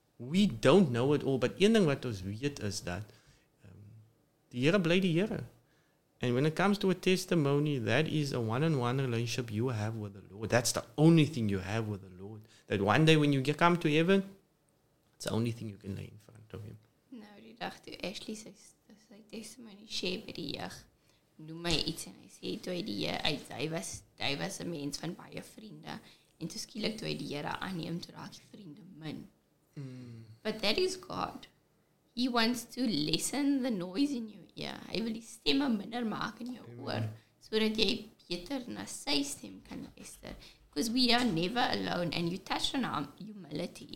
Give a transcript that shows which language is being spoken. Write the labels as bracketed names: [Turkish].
[English] We don't know it all. [Afrikaans] But een ding wat ons weet is dat die Here bly die Here. [English] And when it comes to a testimony, that is a one-on-one relationship you have with the Lord. That's the only thing you have with the Lord. That one day when you come to heaven, it's the only thing you can lay in front of Him. [Afrikaans] Nou, die dag toe Ashley sy testimony share by die jeug, noem my iets en hy sê, toe die Here, hy was een mens van baie vriende, en toe skielik toe die Here aanneem, toe raak die vriende min. [English] But that is God. He wants to lessen the noise in your ear. [Afrikaans] Hy wil die stemme minder maak in jou oor, so dat jy beter na sy stem kan luister. [English] Because we are never alone, and you touch on our humility.